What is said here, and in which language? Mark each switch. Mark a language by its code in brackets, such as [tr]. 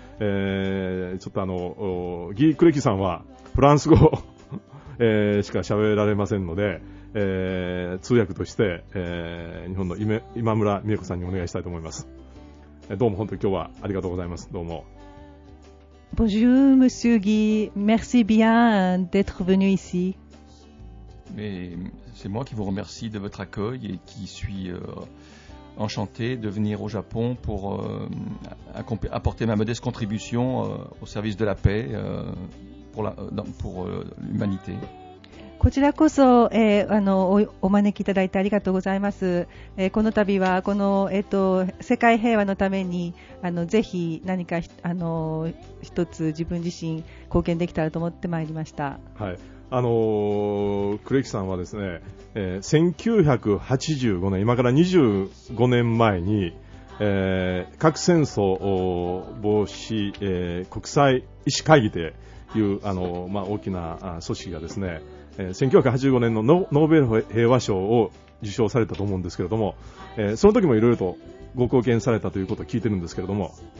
[ja] ちょっとギー・クレキさんはフランス語しか喋られませんので通訳として、日本の今村美恵子さんにお願いしたいと思います。どうも本当に今日はありがとうございます。どうも。 [fr] Bonjour Monsieur Guy, merci bien d'être venu ici. Mais c'est moi qui vous remercie de votre accueil et qui suis enchanté de venir au Japon pour apporter ma modeste contribution au service de la paix pour l'humanité. [ja] こちらこそ、お招きいただいてありがとうございます。この度はこの、世界平和のためにぜひ何か一つ自分自身貢献できたらと思ってまいりました。はい、クレキさんはですね、1985年、今から25年前に、核戦争防止、国際医師会議という、まあ、大きな組織がですね、1985年の ノーベル平和賞を受賞されたと思うんですけれども、その時もいろいろとご貢献されたということを聞いてるんですけれども、